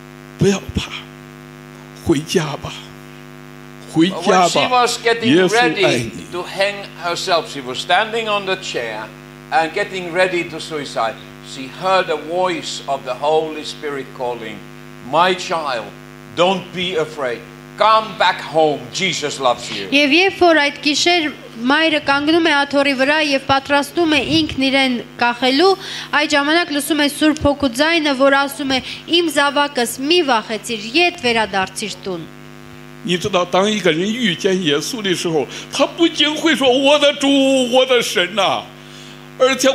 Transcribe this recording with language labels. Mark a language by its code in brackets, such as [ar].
[zh] Ծուցե那一個夜晚,主耶穌突然間出現了。孩子,不要怕。回家吧。回家吧。 [en] When she was getting ready to hang herself, she was standing on the chair and getting ready to suicide. She heard a voice of the Holy Spirit calling, My child, don't be afraid. Come back home. Jesus loves you. [hy] Եվ երբ որ այդ գիշեր մայրը կանգնում է աթոռի վրա եւ պատրաստում է ինքն իրեն կախելու, այդ ժամանակ լսում է Սուրբ Հոգու ձայնը, որ ասում է. Իմ զավակս, մի վախեցիր, ետ վերադարձիր տուն. [zh] 你知道当一个人遇见耶稣的时候，他不禁会说：“我的主，我的神啊！”